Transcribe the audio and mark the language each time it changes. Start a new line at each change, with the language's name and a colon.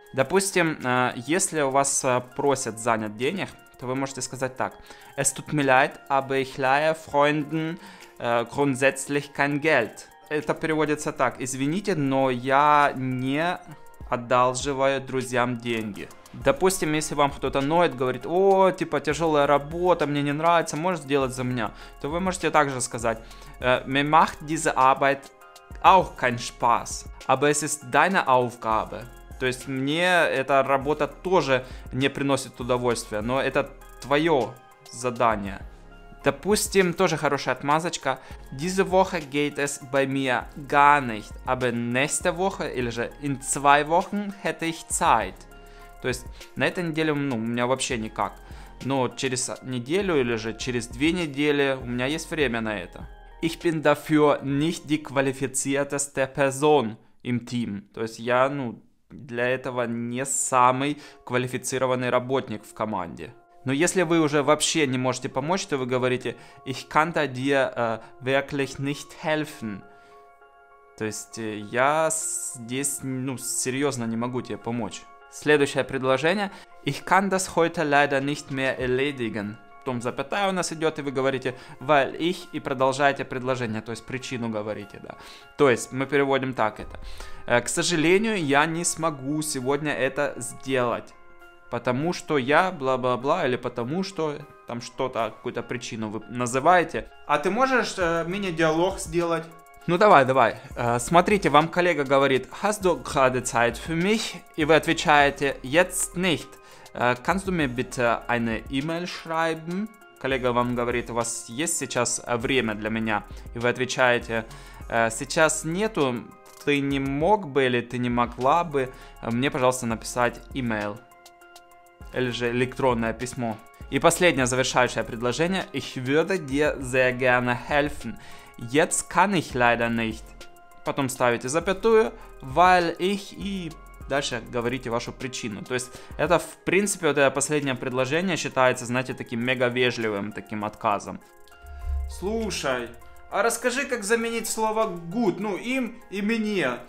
Russian: Допустим, если у вас просят занять денег, то вы можете сказать так:
German: «Es tut mir leid, aber ich leihe Freunden grundsätzlich kein Geld».
Russian: Это переводится так: «Извините, но я не одалживаю друзьям деньги». Допустим, если вам кто-то ноет, говорит: «О, типа тяжелая работа, мне не нравится, можешь сделать за меня?» То вы можете также сказать:
German: «Mir macht diese Arbeit auch keinen Spaß, aber es ist deine Aufgabe».
Russian: То есть мне эта работа тоже не приносит удовольствия, но это твое задание. Допустим, тоже хорошая отмазочка.
German: Diese Woche geht es bei mir gar nicht, aber nächste Woche,
Russian: или же
German: in zwei Wochen hätte ich Zeit.
Russian: То есть на этой неделе, ну, у меня вообще никак, но через неделю или же через две недели у меня есть время на это.
German: Ich bin dafür nicht die qualifizierteste Person im Team.
Russian: То есть я, ну, для этого не самый квалифицированный работник в команде. Но если вы уже вообще не можете помочь, то вы говорите
German: «Ich kann dir wirklich nicht helfen».
Russian: То есть я здесь, ну, серьезно не могу тебе помочь. Следующее предложение:
German: «Ich kann das heute leider nicht mehr erledigen».
Russian: Потом запятая у нас идет, и вы говорите
German: «weil ich»
Russian: и продолжаете предложение, то есть причину говорите, да. То есть мы переводим так это: «К сожалению, я не смогу сегодня это сделать, потому что я бла-бла-бла», или «потому что там что-то, какую-то причину вы называете». А ты можешь мини-диалог сделать? Ну давай, давай. Смотрите, вам коллега говорит
German: «Hast du gerade Zeit für mich?»
Russian: и вы отвечаете
German: «Jetzt nicht». Kannst du mir bitte eine E-Mail schreiben?
Russian: Коллега вам говорит, у вас есть сейчас время для меня? И вы отвечаете, сейчас нету, ты не мог бы или ты не могла бы мне, пожалуйста, написать email. Или же электронное письмо. И последнее завершающее предложение.
German: Ich würde dir sehr gerne helfen. Jetzt kann ich leider nicht.
Russian: Потом ставите запятую,
German: weil ich
Russian: и... Дальше говорите вашу причину. То есть это, в принципе, вот это последнее предложение считается, знаете, таким мега вежливым таким отказом. Слушай, а расскажи, как заменить слово good, ну, им и мне.